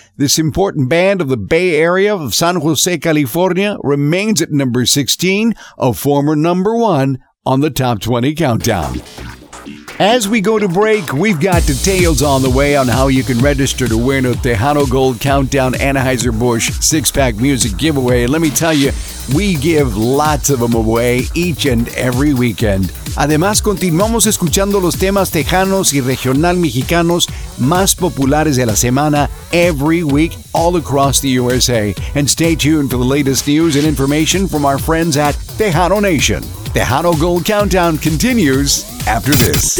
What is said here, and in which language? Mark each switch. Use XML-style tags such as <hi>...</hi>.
<en>This important band of the Bay Area of San Jose, California, remains at number 16, a former number one on the Top 20 Countdown. As we go to break, we've got details on the way on how you can register to win a Tejano Gold Countdown Anheuser-Busch six-pack music giveaway. Let me tell you, we give lots of them away each and every weekend.</en> <es>Además, continuamos escuchando los temas tejanos y regional mexicanos más populares de la semana</es> <en>every week all across the USA. And stay tuned for the latest news and information from our friends at Tejano Nation. Tejano Gold Countdown continues after this.</en>